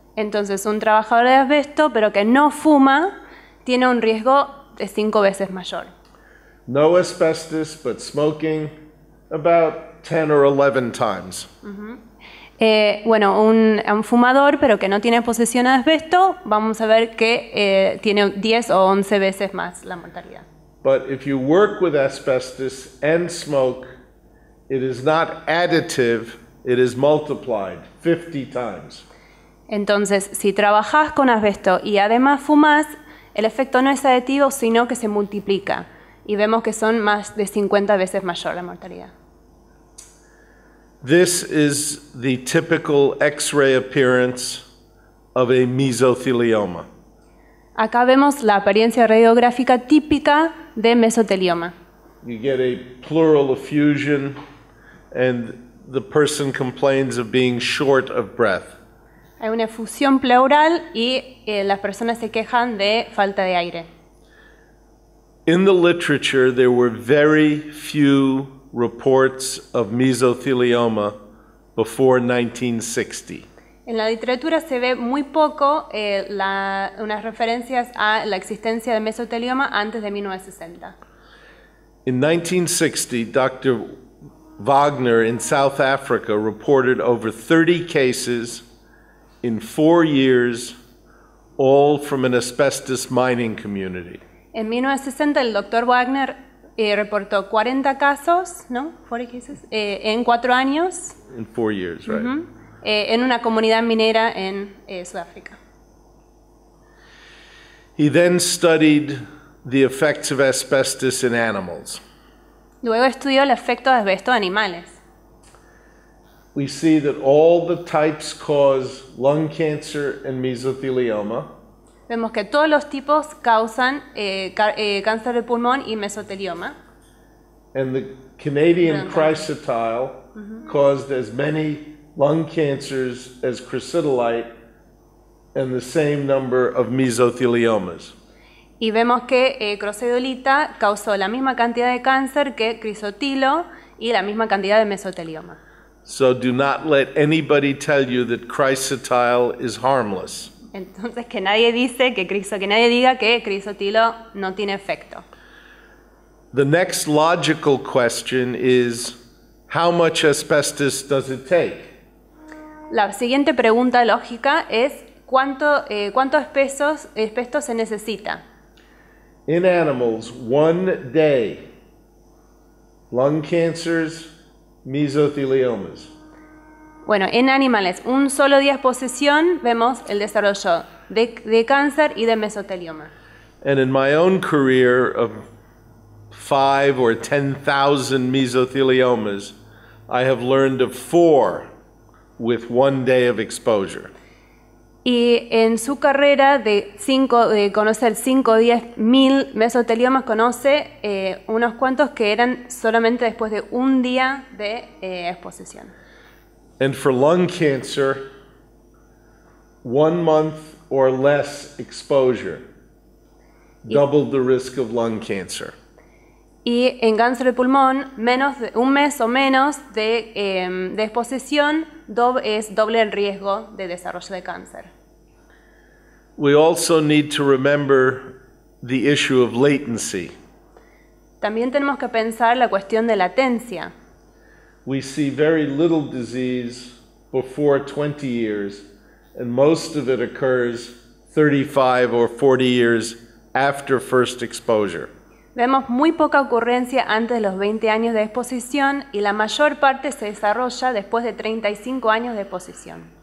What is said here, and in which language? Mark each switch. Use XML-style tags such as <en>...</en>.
<es>Entonces, un trabajador de asbesto, pero que no fuma, tiene un riesgo de 5 veces mayor.</es> <en>No asbestos, but smoking, about 10 or 11 times.</en> <es>Bueno, un fumador, pero que no tiene exposición a asbesto, vamos a ver que tiene 10 o 11 veces más la mortalidad.</es> <en>But if you work with asbestos and smoke, it is not additive, it is multiplied 50 times.</en> <es>Entonces, si trabajas con asbesto y además fumas, el efecto no es aditivo, sino que se multiplica. Y vemos que son más de 50 veces mayor la mortalidad.</es> <en>This is the typical X-ray appearance of a mesothelioma.</en> <es>Acá vemos la apariencia radiográfica típica de mesotelioma.</es> <en>You get a pleural effusion and the person complains of being short of breath.</en> <es>Hay una efusión pleural y las personas se quejan de falta de aire.</es> <en>In the literature, there were very few reports of mesothelioma before 1960.</en> <es>En la literatura se ve muy poco unas referencias a la existencia de mesotelioma antes de 1960.</es> <en>In 1960, Dr. Wagner in South Africa reported over 30 cases in 4 years, all from an asbestos mining community.</en> <es>En 1960, el Dr. Wagner reportó 40 casos, ¿no?</es> <en>40 cases,</en> <es>en 4 años.</es> <en>In 4 years, right.</en> <es>En una comunidad minera en Sudáfrica.</es> <en>He then studied the effects of asbestos in animals.</en> <es>Luego estudió el efecto de asbesto en animales.</es> <en>We see that all the types cause lung cancer and mesothelioma.</en> <es>Vemos que todos los tipos causan cáncer de pulmón y mesotelioma.</es> <en>And the Canadian chrysotile caused as many lung cancers as chrysotillite and the same number of mesotheliomas.</en> <es>Y vemos que crocidolita causó la misma cantidad de cáncer que crisotilo y la misma cantidad de mesotelioma.</es> <en>So do not let anybody tell you that chrysotile is harmless.</en> <es>Entonces que nadie diga que crisotilo no tiene efecto.</es> <en>The next logical question is, how much asbestos does it take?</en> <es>La siguiente pregunta lógica es cuánto asbesto se necesita.</es> <en>In animals, one day, lung cancers, mesotheliomas.</en> <es>Bueno, en animales, un solo día de exposición, vemos el desarrollo de cáncer y de mesotelioma.</es> <en>And in my own career of 5 or 10,000 mesotheliomas, I have learned of 4 with one day of exposure.</en> <es>Y en su carrera de conocer 5 o 10 mil mesoteliomas, conoce unos cuantos que eran solamente después de un día de exposición.</es> <en>And for lung cancer, 1 month or less exposure doubled the risk of lung cancer.</en> <es>Y en cáncer de pulmón, menos de un mes o menos de exposición es doble el riesgo de desarrollo de cáncer.</es> <en>We also need to remember the issue of latency.</en> <es>También tenemos que pensar la cuestión de latencia.</es> <en>We see very little disease before 20 years, and most of it occurs 35 or 40 years after first exposure.</en> <es>Vemos muy poca ocurrencia antes de los 20 años de exposición y la mayor parte se desarrolla después de 35 años de exposición.</es>